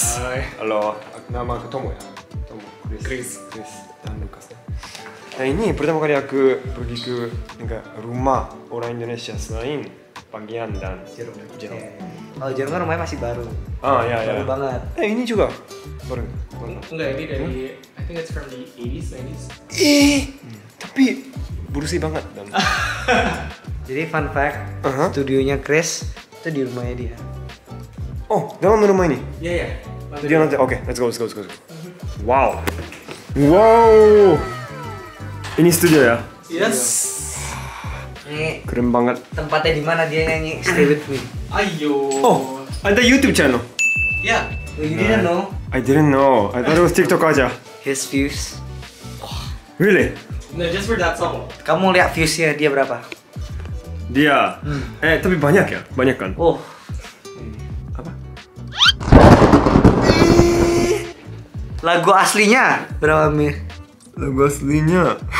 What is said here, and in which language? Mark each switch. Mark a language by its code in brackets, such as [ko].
[id] Hai. Halo, nama aku Tomo ya? Tomo, Chris. Chris dan Lukas. Nah, ini pertama kali aku pergi ke rumah orang Indonesia selain Panggian dan Jerome. Oh, Jerome kan rumahnya masih baru. Ah, iya, iya. Baru banget. Ini juga baru. Enggak, ini dari, [en] I think it's from the 80s, 90s. [id] Tapi bersih banget dan. Jadi fun fact, studionya Chris itu di rumahnya dia. Oh, dalam rumah ini? Iya, iya. Studio nanti, oke, [en] let's go. [id] Wow. Wow. Ini studio ya? [en] Yes. [id] Ini keren banget. Tempatnya di mana dia nyanyi Stay With Me? Ayo. Oh, ada YouTube channel? Ya. [en] You didn't know? I didn't know. I thought it was TikTok aja. His views. Really? No, just for that song. [id] Kamu lihat views-nya dia berapa? Dia. Tapi banyak ya? Banyak kan? Oh. Apa? Lagu aslinya berapa mil? Lagu aslinya.